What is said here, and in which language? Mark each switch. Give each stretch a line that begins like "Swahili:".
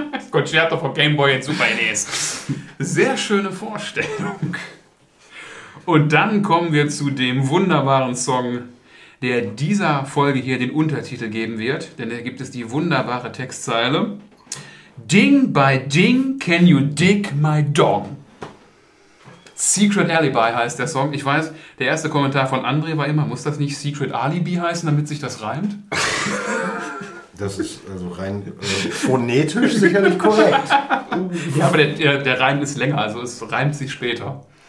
German: Concerto von Gameboy und Super NES. Sehr schöne Vorstellung. Und dann kommen wir zu dem wunderbaren Song, der dieser Folge hier den Untertitel geben wird. Denn da gibt es die wunderbare Textzeile.
English: Ding by ding, can you dig my dong?
German: Secret Alibi heißt der Song. Ich weiß, der erste Kommentar von André war immer, muss das nicht Secret Alibi heißen, damit sich das reimt? Das ist also rein phonetisch sicherlich korrekt. Ja, aber der Reim ist länger, also es reimt sich später.